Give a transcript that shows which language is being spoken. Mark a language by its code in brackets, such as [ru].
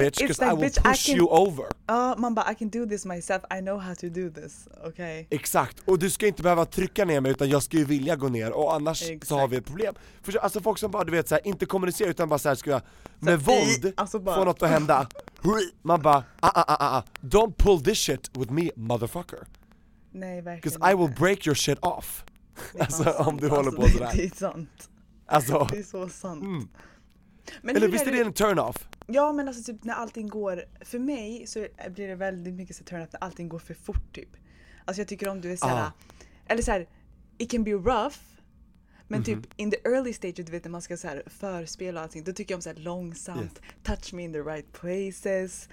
[en] bitch, because I will push you over. [sv] Man bara, [en] I can do this myself. I know how to do this. Okay. [sv] Exakt. Och du ska inte behöva trycka ner mig, utan jag ska ju vilja gå ner. Och annars så har vi ett problem. För, alltså folk som bara, du vet, så här, inte kommunicerar, utan bara så här, ska jag med våld få något att hända. Man bara, [en] don't pull this shit with me, motherfucker. [sv] Nej, verkligen. [en] Because I will break your shit off. [sv] Alltså, om du håller på sådär. Det är sant. Alltså. Det är så sant. Mm. Men eller visst är det en turn off? Ja, men alltså typ när allting går, för mig så blir det väldigt mycket så turn off när allting går för fort typ. Alltså jag tycker om du är såhär, eller såhär, [en] it can be rough, [sv] men typ [en] in the early stage, [sv] du vet när man ska såhär förspela och allting, då tycker jag om såhär långsamt, [en] touch me in the right places.